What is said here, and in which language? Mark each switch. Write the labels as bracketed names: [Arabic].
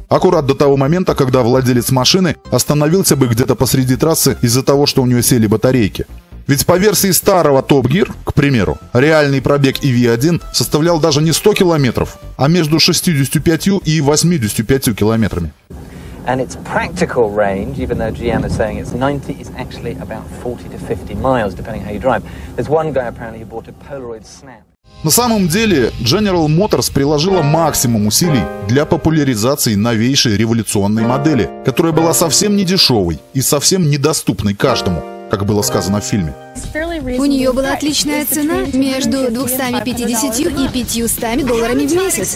[Russian] Аккурат до того момента, когда владелец машины остановился бы где-то посреди трассы из-за того, что у него сели батарейки. Ведь по версии старого Top Gear, к примеру, реальный пробег EV1 составлял даже не 100 километров, а между 65 и 85 километрами. [English] And its practical range, even though GM is saying it's 90, is actually about 40 to 50 miles, depending how you drive. There's one guy apparently who bought a Polaroid Snap. [Russian] На самом деле, General Motors приложила максимум усилий для популяризации новейшей революционной модели, которая была совсем не дешевой и совсем недоступной каждому, как было сказано в фильме. У нее была отличная цена между 250 и 500 долларами в месяц.